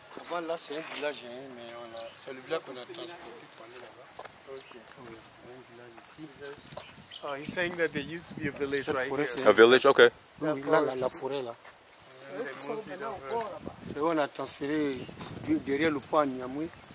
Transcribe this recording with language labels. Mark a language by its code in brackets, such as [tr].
[fr] Avant là c'est un village, mais on a c'est le village qu'on a transporté pour aller là-bas. Okay. Un village ici. [en] Oh, he's saying that there used to be a village right here. A village, okay. [fr] La forêt là. C'est on a transféré derrière le pont Niamoué.